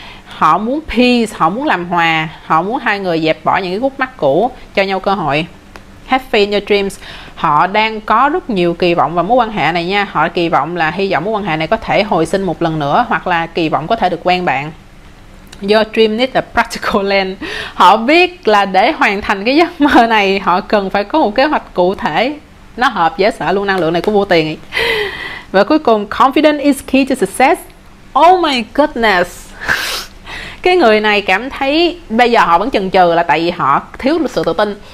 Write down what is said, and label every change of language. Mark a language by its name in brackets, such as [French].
[Vietnamese] Họ muốn peace, họ muốn làm hòa, họ muốn hai người dẹp bỏ những cái khúc mắc cũ, cho nhau cơ hội. [English] Happy in your dreams. [Vietnamese] Họ đang có rất nhiều kỳ vọng vào mối quan hệ này nha. Họ kỳ vọng là hy vọng mối quan hệ này có thể hồi sinh một lần nữa, hoặc là kỳ vọng có thể được quen bạn. [English] Your dream needs a practical lens. [Vietnamese] Họ biết là để hoàn thành cái giấc mơ này, họ cần phải có một kế hoạch cụ thể. Nó hợp dễ sợ luôn, năng lượng này của vô tiền ấy. Và cuối cùng, [English] confidence is key to success. Oh my goodness. [Vietnamese] Cái người này cảm thấy bây giờ họ vẫn chần chừ là tại vì họ thiếu sự tự tin.